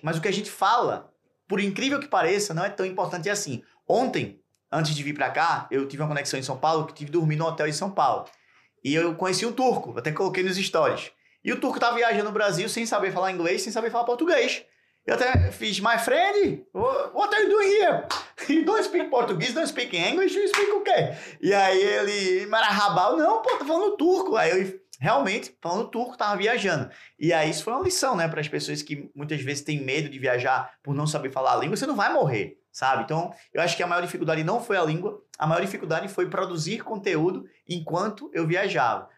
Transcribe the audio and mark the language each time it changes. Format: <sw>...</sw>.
<pt>Mas o que a gente fala, por incrível que pareça, não é tão importante assim. Ontem, antes de vir para cá, eu tive uma conexão em São Paulo, que estive dormindo num hotel em São Paulo. E eu conheci um turco, até coloquei nos stories. E o turco tava viajando no Brasil sem saber falar inglês, sem saber falar português. Eu até fiz,</pt> <en>my friend, what are you doing here? He don't speak Portuguese, don't speak English, you speak</en> <pt>o quê? E aí ele, marahabal, não, pô, tá falando turco. Aí eu, realmente, falando turco, tava viajando. E aí isso foi uma lição, né, para as pessoas que muitas vezes têm medo de viajar por não saber falar a língua, você não vai morrer, sabe? Então, eu acho que a maior dificuldade não foi a língua, a maior dificuldade foi produzir conteúdo enquanto eu viajava.</pt>